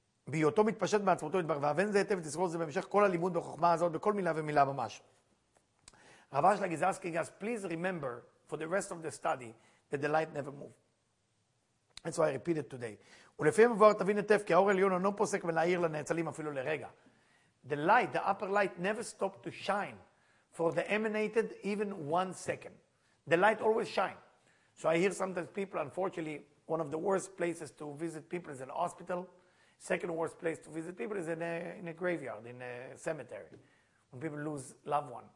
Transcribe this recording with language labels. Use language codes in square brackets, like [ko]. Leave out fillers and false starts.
[he] בהיותו מתפשט מעצמותו התברך, והבן זה היטב, תזכור זה במשך כל הלימוד בחוכמה הזאת, בכל מילה ומילה ממש. [en] רב אשלה גזרסקי, please remember, for the rest of the study, that the light never moves. That's why I repeat it today. [he] ולפעמים עבור תבין היטב כי האור העליון אינו פוסק ולהאיר לנאצלים אפילו לרגע. [en] The light, the upper light never stopped to shine for the emanated even one second. The light always shine. So I hear sometimes people, unfortunately, one of the worst places to visit people is in a hospital. Second worst place to visit people is in a graveyard, in a cemetery, when people lose loved one.